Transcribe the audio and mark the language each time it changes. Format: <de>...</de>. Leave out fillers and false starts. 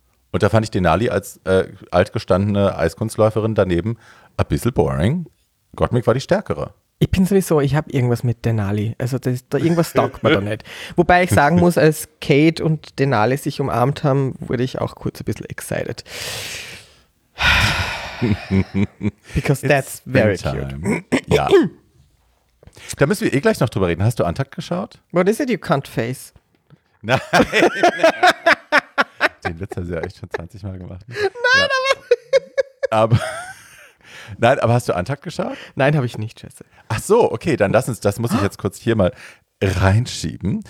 <de>Und da fand ich Denali als altgestandene Eiskunstläuferin daneben ein bisschen boring. Gottmik war die Stärkere. Ich bin sowieso, ich habe irgendwas mit Denali. Also das, da irgendwas taugt mir da nicht. Wobei ich sagen muss, als Kate und Denali sich umarmt haben, wurde ich auch kurz ein bisschen excited.</de> <en>Because that's very cute.</en> <de>Ja. Da müssen wir eh gleich noch drüber reden. Hast du Antakt geschaut?</de> <en>What is it, you cunt face?</en> <de>Nein. Den Witz hast du ja echt schon 20 Mal gemacht. Nein, ja. Aber hast du Antakt geschaut? Nein, habe ich nicht, Jesse. Ach so, okay, dann lass uns, das muss ich jetzt kurz hier mal reinschieben.</de>